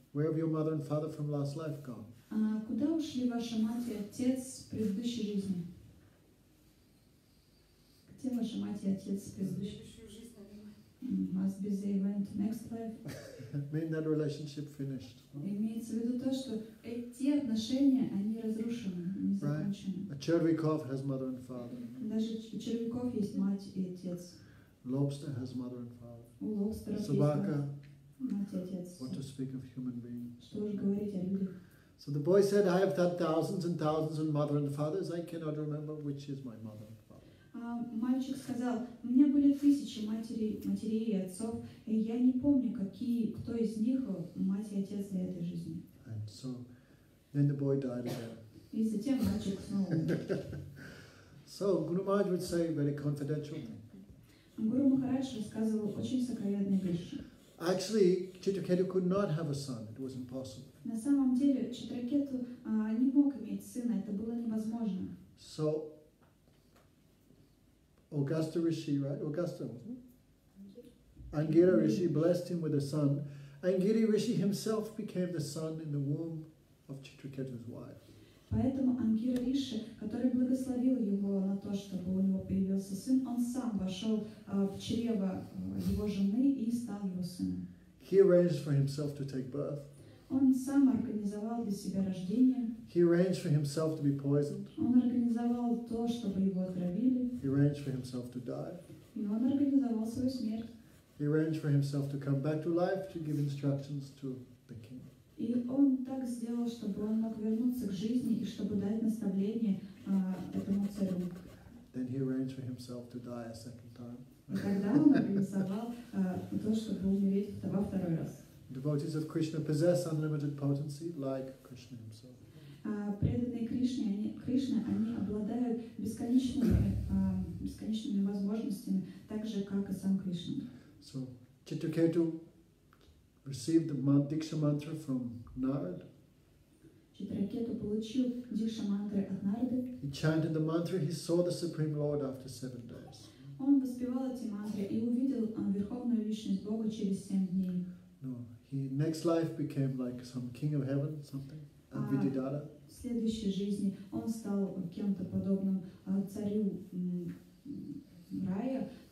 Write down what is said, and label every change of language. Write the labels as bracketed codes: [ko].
[en] Where have your mother and father from last life gone? [ru] Куда ушли ваша мать и отец в предыдущей жизни? Где ваша мать и отец в предыдущей жизни? [en] Must be the event next life. Mean that relationship finished. [ru] Имеется в виду то, что эти отношения, они разрушены, не закончены. [en] A [ru] Червяков [en] has mother and father. [ru] Даже Червяков есть мать и отец. [en] Lobster has mother and father. [ru] У лобстера есть собака. Мать и отец. [en] What to speak of human beings? [ru] Что же говорить о людях? [en] So the boy said, I have had thousands and thousands of mother and fathers, I cannot remember which is my mother and father. [ru] Мальчик сказал, у меня были тысячи матерей и отцов, и я не помню, кто из них мать и отец для этой жизни. [en] And so, then the boy died again. [ru] И затем мальчик снова умер. [en] So, Guru Maharaj would say very confidential. [ru] Guru Maharaj рассказывал очень сокровенные вещи. [en] Actually, Citraketu could not have a son. It was impossible. [ru] На самом деле, Читракету не мог иметь сына. Это было невозможно. [en] So, Augusta Rishi, right? Augusta, wasn't it? Angira Rishi blessed him with a son. Angira Rishi himself became the son in the womb of Chitraketu's wife. [ru] Поэтому Ангира Риши, который благословил его на то, чтобы у него появился сын, он сам вошел в чрево его жены и стал его сыном. [en] He arranged for himself to take birth. [ru] Он сам организовал для себя рождение. [en] He arranged for himself to be poisoned. [ru] Он организовал то, чтобы его отравили. [en] He arranged for himself to die. [ru] И он организовал свою смерть. [en] He arranged for himself to come back to life to give instructions to the king. [ru] И он так сделал, чтобы он мог вернуться к жизни и чтобы дать наставление этому царю. [en] Then he arranged for himself to die a second time. [ru] Тогда он организовал то, чтобы умереть во второй раз. [en] Devotees of Krishna possess unlimited potency, like Krishna himself. [ru] Преданные Кришне, они обладают бесконечными возможностями, так же, как и сам Кришна. [en] So, Citraketu received the Diksha Mantra from Narad. [ru] Читракету получил Дикша Мантры от Нарады. [en] He chanted the mantra, he saw the Supreme Lord after 7 days. [ru] Он воспевал эти мантры и увидел Верховную Личность Бога через 7 дней. [en] No, he next life became like some king of heaven, something, Abhididhara. [ru] В следующей жизни он стал кем-то подобным царю рая.